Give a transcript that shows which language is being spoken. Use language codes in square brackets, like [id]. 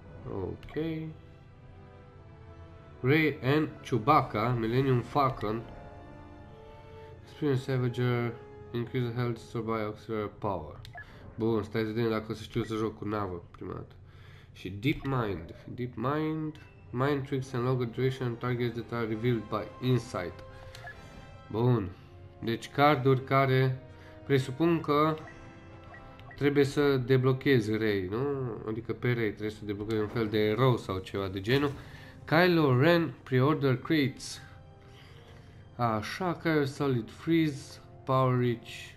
[en] Ok. Rey and Chewbacca, Millennium Falcon. Experience Savager, increase health, survive auxiliary power. [ro] Bun, stai să vedem dacă o să știu să joc cu navă prima dată. [en] Și Deep Mind, Mind Tricks and Longer Duration, targets that are revealed by Insight. [ro] Bun, deci carduri care presupun că trebuie să deblochezi Rey, nu? Adică pe Rey trebuie să deblochezi un fel de erou sau ceva de genul. [en] Kylo Ren pre-order crates. Așa, Kylo Solid Freeze, Power Reach.